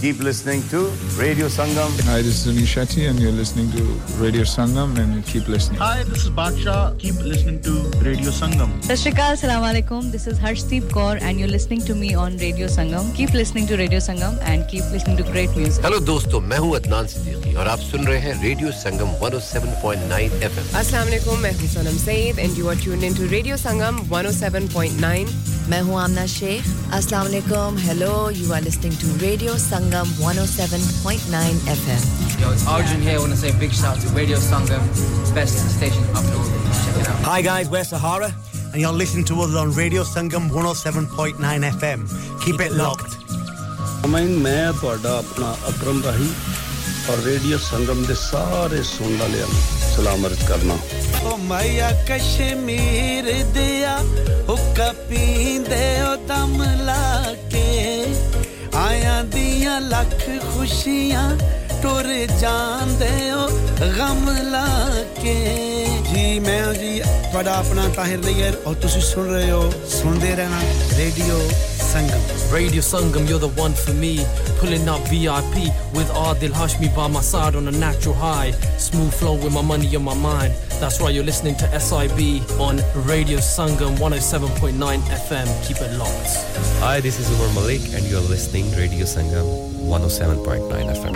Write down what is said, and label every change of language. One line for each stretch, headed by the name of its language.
English: Keep listening to Radio Sangam. Hi, this is Anish Shetty and you're listening to Radio Sangam and keep listening. Hi, this is Baksha. Keep listening to Radio Sangam. Sashrikaal, Assalamu Alaikum. This is Harshdeep Kaur and you're listening to me on Radio Sangam. Keep listening to Radio Sangam and keep listening to great music. Hello, dosto.
Hindi: तो मैं हूं अदनान सिद्दीकी और आप सुन रहे हैं radio संगम 107.9 FM अस्सलाम वालेकुम मैं हूं सनम Saeed
English: and you are tuned into
Hindi: radio संगम 107.9 मैं हूं आमना शेख
English: अस्सलाम वालेकुम hello you are listening to radio Sangam 107.9 FM yo it's Arjun here want to say big shout to radio Sangam best station up north check it out hi guys we're Sahara and you are listening to us on radio Sangam 107.9 FM keep it locked
Punjabi: ਮੈਂ ਮੈਂ ਤੁਹਾਡਾ ਆਪਣਾ ਅਕਰਮ ਰਹੀ ਔਰ radio ਸੰਗਮ ਦੇ ਸਾਰੇ ਸੁਣਨ ਵਾਲਿਆਂ ਨੂੰ ਸਲਾਮ ਅਰਜ਼ ਕਰਨਾ ਓ ਮਾਇਆ ਕਸ਼ਮੀਰ ਦਿਆ ਹੁੱਕਾ ਪੀਂਦੇ ਓ ਦਮ ਲਾ ਕੇ ਆਇਆ ਦੀਆਂ ਲੱਖ ਖੁਸ਼ੀਆਂ ਟੁਰ ਜਾਂਦੇ ਓ ਗਮ ਲਾ ਕੇ ਜੀ ਮੈਂ ਜੀ ਤੁਹਾਡਾ ਆਪਣਾ ਤਾਹਿਰ ਲਈਅਰ ਔਰ ਤੁਸੀਂ ਸੁਣ ਰਹੇ ਹੋ ਸੁਣਦੇ ਰਹਿਣਾ radio
English: Radio Sangam, you're the one for me. Pulling up VIP with Adil Hashmi by my side on a natural high. Smooth flow with my money on my mind. That's right, you're listening to SIB on Radio Sangam 107.9 FM. Keep it locked. Hi, this is Umar Malik and you're listening to Radio Sangam 107.9 FM.